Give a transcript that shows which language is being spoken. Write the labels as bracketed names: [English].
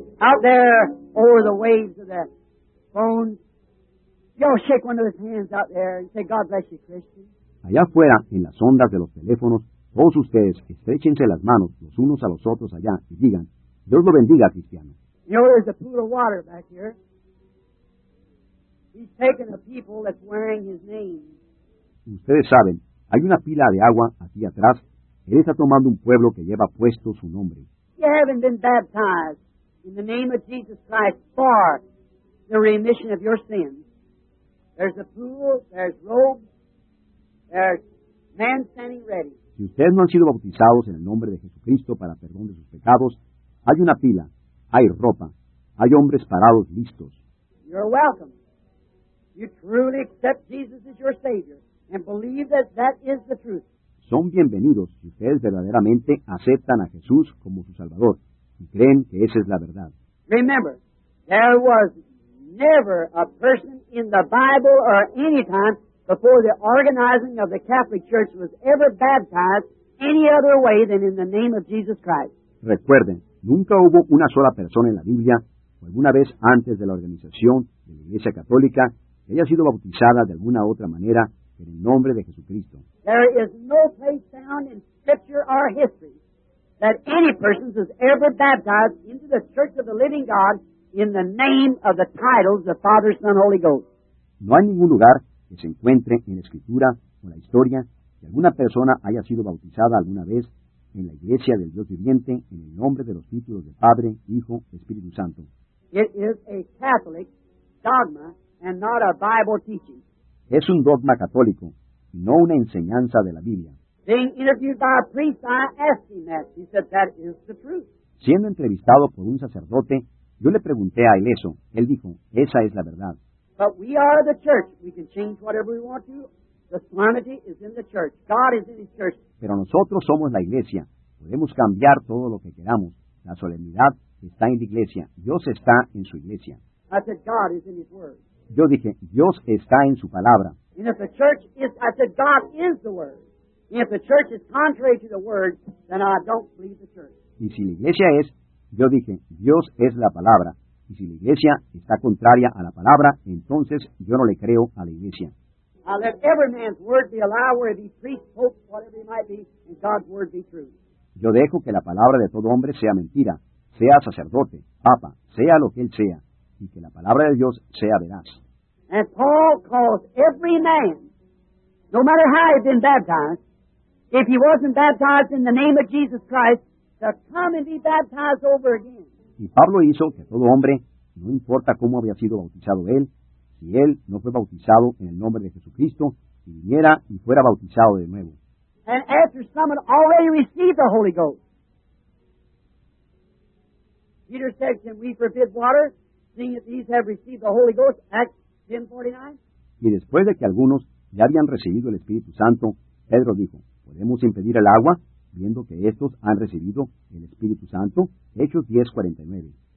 [English] Out there, over the waves of the phone. Y'all shake one of his hands out there and say, God bless you, Christian. [Spanish] Allá afuera, en las ondas de los teléfonos, todos ustedes, estrechense las manos los unos a los otros allá y digan, Dios lo bendiga, cristiano. [English] You know, there's a pool of water back here. He's taking the people that's wearing his name. [Spanish] Ustedes saben, hay una pila de agua aquí atrás. Él está tomando un pueblo que lleva puesto su nombre. [English] You haven't been baptized in the name of Jesus Christ for the remission of your sins. There's a pool, there's robes. There's man standing ready. [Spanish] Si ustedes no han sido bautizados en el nombre de Jesucristo para perdón de sus pecados, hay una pila, hay ropa, hay hombres parados listos. [English] You're welcome. You truly accept Jesus as your Savior and believe that that is the truth. [Spanish] Son bienvenidos si ustedes verdaderamente aceptan a Jesús como su Salvador y creen que esa es la verdad. [English] Remember, there was never a person in the Bible or any time before the organizing of the Catholic Church was ever baptized any other way than in the name of Jesus Christ. [Spanish] Recuerden, nunca hubo una sola persona en la Biblia o alguna vez antes de la organización de la Iglesia Católica que haya sido bautizada de alguna otra manera en el nombre de Jesucristo. [English] There is no place found in Scripture or history that any person has ever baptized into the Church of the Living God in the name of the titles of Father, Son, Holy Ghost. [Spanish] No hay ningún lugar que se encuentre en la Escritura o la Historia, que alguna persona haya sido bautizada alguna vez en la Iglesia del Dios Viviente en el nombre de los títulos de Padre, Hijo, Espíritu Santo. [English] It is a Catholic dogma and not a Bible teaching. [Spanish] Es un dogma católico, y no una enseñanza de la Biblia. [English] Being interviewed by a priest, I asked him that. He said, that is the truth. [Spanish] Siendo entrevistado por un sacerdote, yo le pregunté a él eso. Él dijo, esa es la verdad. [English] But we are the church. We can change whatever we want to. The solemnity is in the church. God is in his church. [Spanish] Pero nosotros somos la iglesia. Podemos cambiar todo lo que queramos. La solemnidad está en la iglesia. Dios está en su iglesia. [English] I said, God is in his word. [Spanish] Yo dije, Dios está en su palabra. [English] And if the church is, I said, God is the word. And if the church is contrary to the word, then I don't believe the church. [Spanish] Y si la iglesia es, yo dije, Dios es la palabra. Y si la iglesia está contraria a la palabra, entonces yo no le creo a la iglesia. [English] I'll let every man's word be a lie, whether he's priest, pope, whatever he might be, and God's word be true. [Spanish] Yo dejo que la palabra de todo hombre sea mentira, sea sacerdote, papa, sea lo que él sea, y que la palabra de Dios sea veraz. [English] And Paul calls every man, no matter how he's been baptized, if he wasn't baptized in the name of Jesus Christ, to come and be baptized over again. [Spanish] Y Pablo hizo que todo hombre, no importa cómo había sido bautizado él, si él no fue bautizado en el nombre de Jesucristo, y viniera y fuera bautizado de nuevo. [English] And after some had already received the Holy Ghost, Peter said, can we forbid water, seeing that these have received the Holy Ghost, Acts 10:49? [Spanish] Y después de que algunos ya habían recibido el Espíritu Santo, Pedro dijo, ¿podemos impedir el agua, viendo que estos han recibido el Espíritu Santo? Hechos 10:49.